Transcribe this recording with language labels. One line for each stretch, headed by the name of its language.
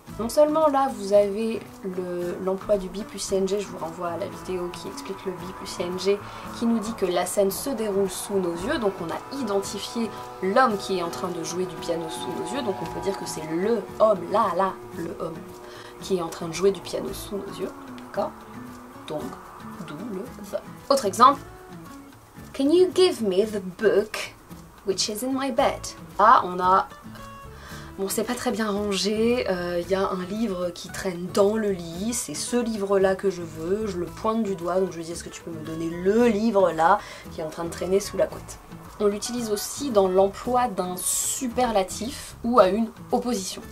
French: Non seulement là, vous avez l'emploi du be plus ing, je vous renvoie à la vidéo qui explique le be plus ing, qui nous dit que la scène se déroule sous nos yeux, donc on a identifié l'homme qui est en train de jouer du piano sous nos yeux, donc on peut dire que c'est le homme, là, le homme, qui est en train de jouer du piano sous nos yeux, d'accord? Donc, d'où le the. Autre exemple.
English: Can you give me the book which is in my bed?
French: Là, on a... Bon, c'est pas très bien rangé, y a un livre qui traîne dans le lit, c'est ce livre-là que je veux, je le pointe du doigt, donc je lui dis est-ce que tu peux me donner le livre-là qui est en train de traîner sous la couette. On l'utilise aussi dans l'emploi d'un superlatif ou à une opposition.